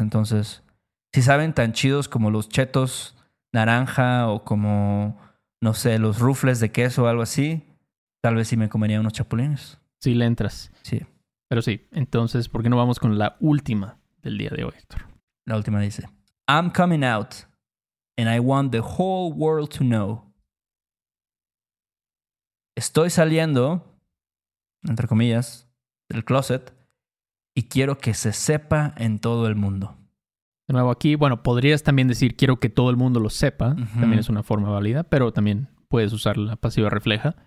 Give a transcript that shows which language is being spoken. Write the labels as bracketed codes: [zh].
[es] Entonces, si saben tan chidos como los chetos naranja o como, no sé, los rufles de queso o algo así, tal vez sí me comería unos chapulines. Sí, le entras. Sí. Pero sí, entonces, ¿por qué no vamos con la última del día de hoy, Héctor? La última dice, [en] I'm coming out and I want the whole world to know. [es] Estoy saliendo, entre comillas, el closet y quiero que se sepa en todo el mundo. De nuevo aquí, bueno, podrías también decir quiero que todo el mundo lo sepa. Uh-huh. También es una forma válida, pero también puedes usar la pasiva refleja.